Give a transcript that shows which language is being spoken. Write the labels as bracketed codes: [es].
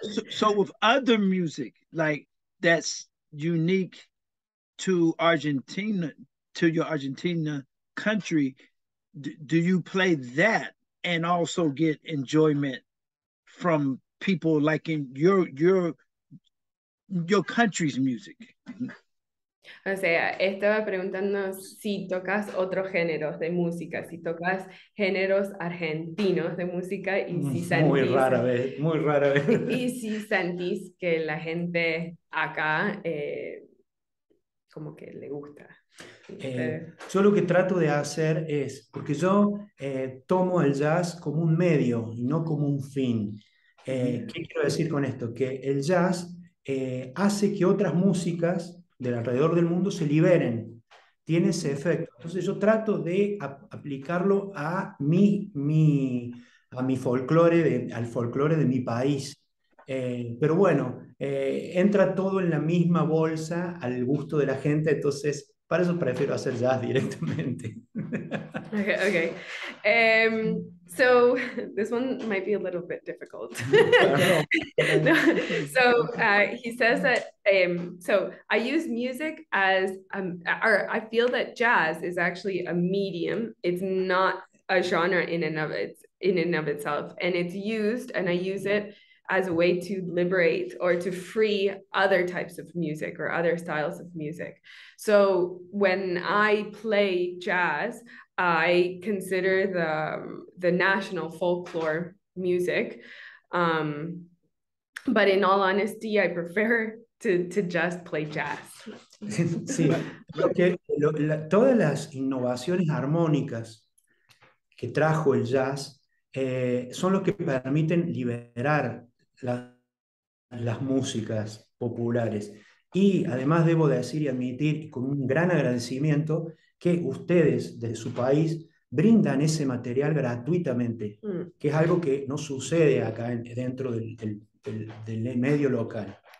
[en] So with other music like that's unique to Argentina, to your Argentina country, do you play that and also get enjoyment from people like in your country's music? [es] O sea, estaba preguntando si tocas otros géneros de música, si tocas géneros argentinos de música y si sentís, muy rara vez. Y si sentís que la gente acá como que le gusta. Yo lo que trato de hacer es, porque yo tomo el jazz como un medio y no como un fin. ¿Qué quiero decir con esto? Que el jazz hace que otras músicas del alrededor del mundo se liberen. Tiene ese efecto. Entonces yo trato de aplicarlo a mi folclore, al folclore de mi país. Pero bueno, entra todo en la misma bolsa al gusto de la gente. Entonces, para eso prefiero hacer jazz directamente. [en] Okay. So this one might be a little bit difficult. No. So he says that, so I use music as, or I feel that jazz is actually a medium. It's not a genre in and of itself. And it's used, and I use it as a way to liberate or to free other types of music or other styles of music. So when I play jazz, I consider the national folklore music, but in all honesty, I prefer to just play jazz. [es] Sí, porque todas las innovaciones armónicas que trajo el jazz son los que permiten liberar las músicas populares. Y además debo decir y admitir con un gran agradecimiento que ustedes de su país brindan ese material gratuitamente, que es algo que no sucede acá dentro del medio local.